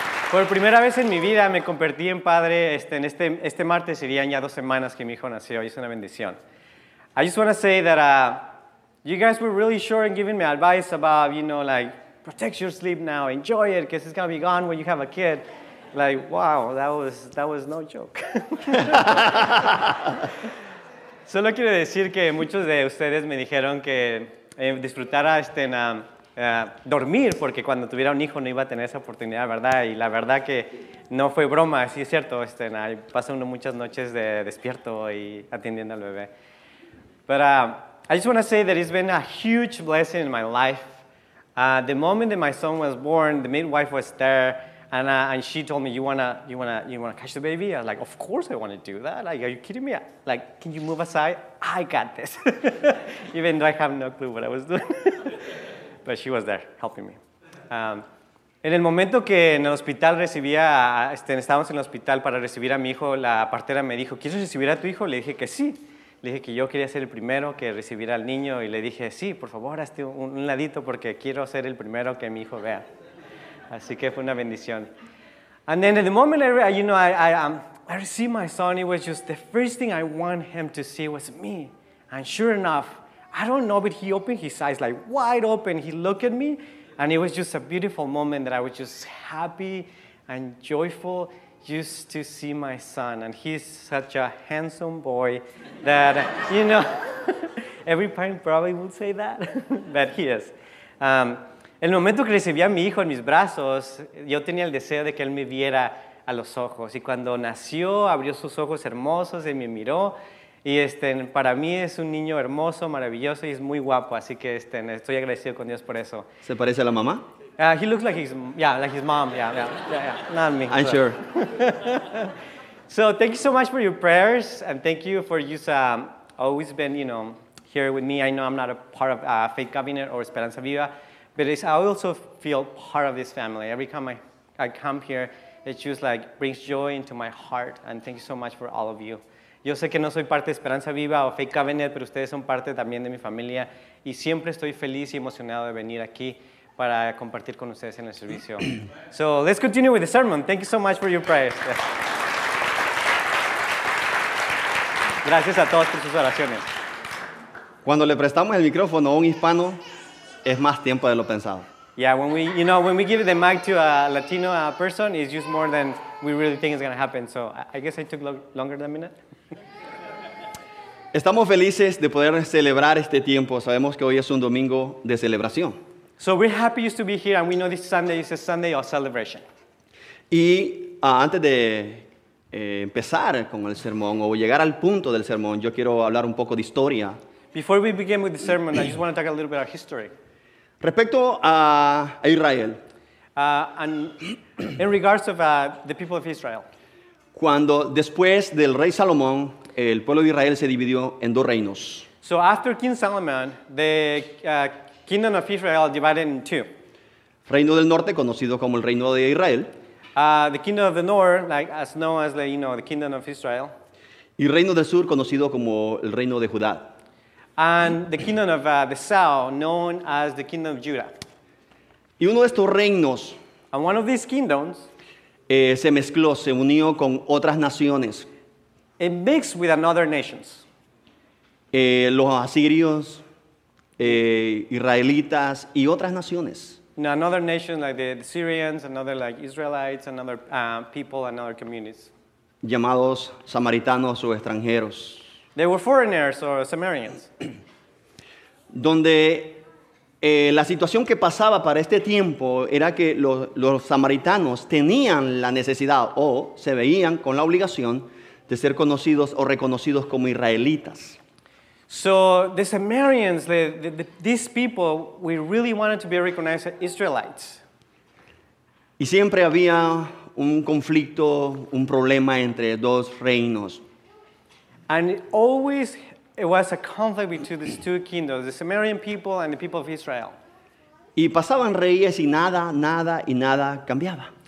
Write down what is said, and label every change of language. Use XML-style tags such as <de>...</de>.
<es>Por primera vez en mi vida me convertí en padre. Este martes serían ya 2 semanas que mi hijo nació. Y es una bendición.</es> <en>I just want to say that you guys were really sure in giving me advice about, you know, like, protect your sleep now, enjoy it, because it's going to be gone when you have a kid. Like, wow, that was no joke.</en> <es>Solo quiero decir que muchos de ustedes me dijeron que disfrutara dormir, porque cuando tuviera un hijo no iba a tener esa oportunidad, ¿verdad? Y la verdad que no fue broma, sí es cierto, pasa uno muchas noches de despierto y atendiendo al bebé. Pero</es> <en>I just want to say that it's been a huge blessing in my life. The moment that my son was born, the midwife was there, and she told me, you wanna catch the baby? I was like, of course I want to do that. Like, are you kidding me? Like, can you move aside? I got this. Even though I have no clue what I was doing. But she was there, helping me.</en> <es>En el momento que en el hospital recibía, estábamos en el hospital para recibir a mi hijo, la partera me dijo, ¿quieres recibir a tu hijo? Le dije que sí. Le dije que yo quería ser el primero que recibiera al niño y le dije, sí, por favor, hazte un ladito porque quiero ser el primero que mi hijo vea. Así que fue una bendición.</es> <en>And then at the moment I received my son, it was just the first thing I want him to see was me. And sure enough, I don't know, but he opened his eyes like wide open. He looked at me and it was just a beautiful moment that I was just happy and joyful just to see my son. And he's such a handsome boy that, you know, every parent probably would say that, but he is.</en> <es>El momento que recibí a mi hijo en mis brazos, yo tenía el deseo de que él me viera a los ojos. Y cuando nació, abrió sus ojos hermosos y me miró. Y para mí es un niño hermoso, maravilloso y es muy guapo. Así que estoy agradecido con Dios por eso. ¿Se parece a la mamá?</es> <en>He looks like his mom. Yeah. Not me. I'm sure. So thank you so much for your prayers and thank you for just always been, you know, here with me. I know I'm not a part of Faith Cabinet or Esperanza Viva, but I also feel part of this family. Every time I come here, it just like brings joy into my heart. And thank you so much for all of you.</en> <es>Yo sé que no soy parte de Esperanza Viva o Faith Cabinet, pero ustedes son parte también de mi familia. Y siempre estoy feliz y emocionado de venir aquí para compartir con ustedes en el servicio.</es> <en>So let's continue with the sermon. Thank you so much for your prayers. Yeah.</en> <es>Gracias a todos por sus oraciones. Cuando le prestamos el micrófono a un hispano, es más tiempo de lo pensado.</es> <en>Yeah, when we give the mic to a Latino person, it's just more than we really think is going to happen. So I guess I took longer than a minute.</en> <es>Estamos felices de poder celebrar este tiempo. Sabemos que hoy es un domingo de celebración.</es> <en>So we're happy just to be here, and we know this Sunday is a Sunday of celebration.</en> <es>Y antes de empezar con el sermón o llegar al punto del sermón, yo quiero hablar un poco de historia.</es> <en>Before we begin with the sermon, I just want to talk a little bit about history.</en> <es>Respecto a Israel.</es> <en>And in regards of the people of Israel.</en> <es>Cuando después del rey Salomón, el pueblo de Israel se dividió en dos reinos.</es> <en>So after King Solomon, the kingdom of Israel divided in two.</en> <es>Reino del Norte, conocido como el Reino de Israel.</es> <en>The kingdom of the North, like as known as the, you know, the kingdom of Israel.</en> <es>Y Reino del Sur, conocido como el Reino de Judá.</es> <en>And the kingdom of the south, known as the kingdom of Judah.</en> <es>Y uno de estos reinos,</es> <en>and one of these kingdoms,</en> <es>se mezcló, se unió con otras naciones.</es> <en>It mixed with another nations.</en> <es>los asirios, israelitas y otras naciones.</es> <en>Now another nation like the Syrians, another like Israelites, another people, another communities.</en> <es>Llamados samaritanos o extranjeros.</es> <en>They were foreigners or Samaritans.</en> <es>Donde la situación que pasaba para este tiempo era que los samaritanos tenían la necesidad o se veían con la obligación de ser conocidos o reconocidos como israelitas.</es> <en>So the Samaritans, these people, we really wanted to be recognized as Israelites.</en> <es>Y siempre había un conflicto, un problema entre dos reinos.</es> <en>And always it was a conflict between these two kingdoms, the Samaritan people and the people of Israel.</en> <es>Y pasaban reyes y nada, nada y nada cambiaba.</es>